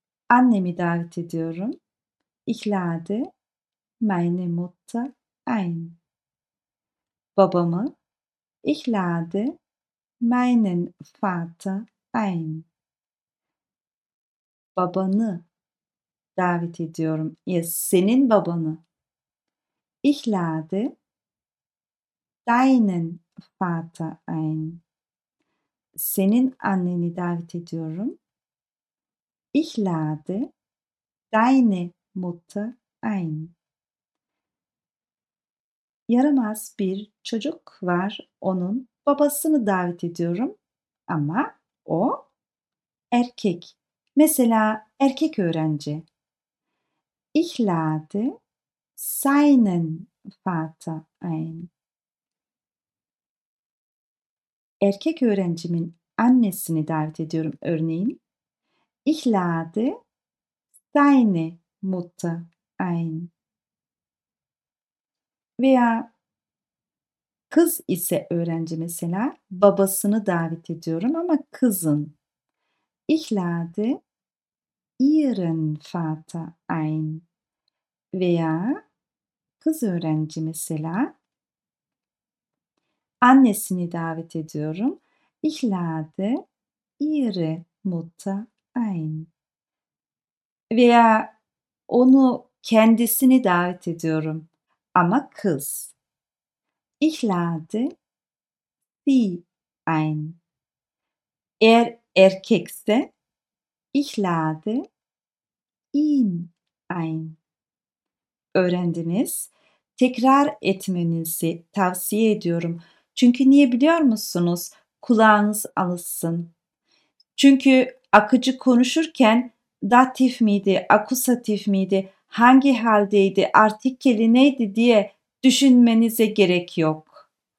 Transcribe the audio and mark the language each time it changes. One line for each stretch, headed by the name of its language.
Turkish: Annemi davet ediyorum.
German: Ich lade meine Mutter ein.
Turkish: Babamı.
German: Ich lade meinen Vater ein.
Turkish: Babanı davet ediyorum. Ya senin babanı.
German: Ich lade deinen Vater ein.
Turkish: Senin anneni davet ediyorum.
German: Ich lade deine Mutter ein.
Turkish: Yaramaz bir çocuk var, onun babasını davet ediyorum ama o erkek. Mesela erkek öğrenci.
German: Ich lade seinen Vater ein.
Turkish: Erkek öğrencimin annesini davet ediyorum örneğin.
German: Ich lade seine Mutter ein.
Turkish: Veya kız ise öğrenci mesela, babasını davet ediyorum ama kızın.
German: Ich lade ihren Vater ein.
Turkish: Veya kız öğrenci mesela, annesini davet ediyorum.
German: Ich lade ihre Mutter ein.
Turkish: Veya onu kendisini davet ediyorum ama kız.
German: Ich lade sie ein.
Turkish: Eğer erkekse
German: ich lade ihn ein.
Turkish: Öğrendiniz. Tekrar etmenizi tavsiye ediyorum. Çünkü niye biliyor musunuz? Kulağınız alışsın. Çünkü akıcı konuşurken datif miydi, akusatif miydi, hangi haldeydi, artikeli neydi diye düşünmenize gerek yok.